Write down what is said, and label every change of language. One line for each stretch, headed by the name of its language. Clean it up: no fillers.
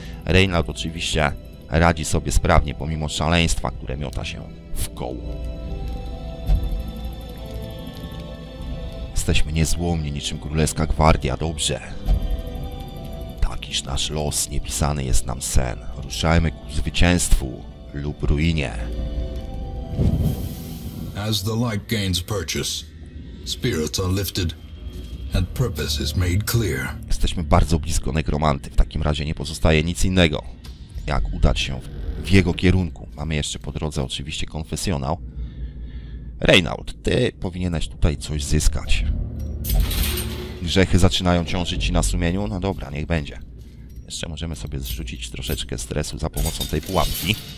Polish: Reynald oczywiście... Radzi sobie sprawnie, pomimo szaleństwa, które miota się w koło. Jesteśmy niezłomni, niczym królewska gwardia, dobrze. Takiż nasz los, niepisany jest nam sen. Ruszajmy ku zwycięstwu lub ruinie.
English: As the light gains purchase, spirits are lifted and purpose is made clear.
Polish: jesteśmy bardzo blisko nekromanty. W takim razie nie pozostaje nic innego, jak udać się w jego kierunku. Mamy jeszcze po drodze oczywiście konfesjonał. Reynald, ty powinieneś tutaj coś zyskać. Grzechy zaczynają ciążyć ci na sumieniu? No dobra, niech będzie. Jeszcze możemy sobie zrzucić troszeczkę stresu za pomocą tej pułapki.